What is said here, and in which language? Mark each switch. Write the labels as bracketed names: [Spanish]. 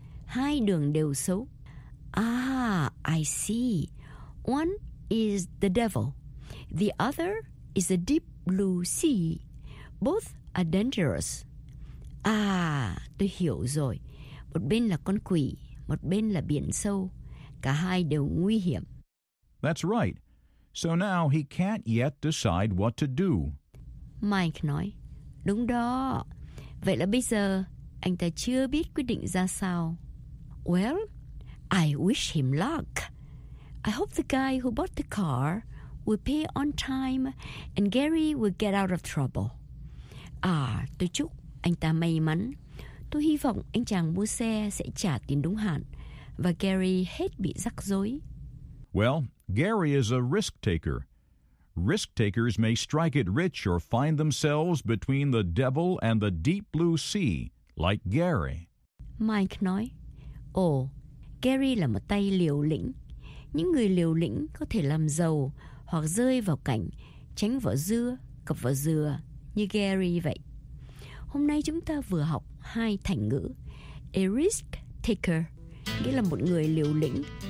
[Vietnamese] Hai đường đều xấu. [English] Ah, I see. One is the devil. The other is the deep blue sea. Both are dangerous. [Vietnamese] Ah, tôi hiểu rồi. Một bên là con quỷ, một bên là biển sâu. Cả hai đều nguy hiểm. [English] That's right. So now he can't yet decide what to do. [Vietnamese] Mike nói, đúng đó. Vậy là bây giờ anh ta chưa biết quyết định ra sao. [English] Well, I wish him luck. I hope the guy who bought the car will pay on time and Gary will get out of trouble. [Vietnamese] À, tôi chúc anh ta may mắn. Tôi hy vọng anh chàng mua xe sẽ trả tiền đúng hạn và Gary hết bị rắc rối. [English] Well, Gary is a risk taker. Risk takers may strike it rich or find themselves between the devil and the deep blue sea, like Gary. [Vietnamese] Mike nói, ồ, Gary là một tay liều lĩnh. Những người liều lĩnh có thể làm giàu hoặc rơi vào cảnh tránh vỏ dưa, cặp vỏ dừa như Gary vậy. Hôm nay chúng ta vừa học hai thành ngữ. [English] A risk taker, [Vietnamese] nghĩa là một người liều lĩnh.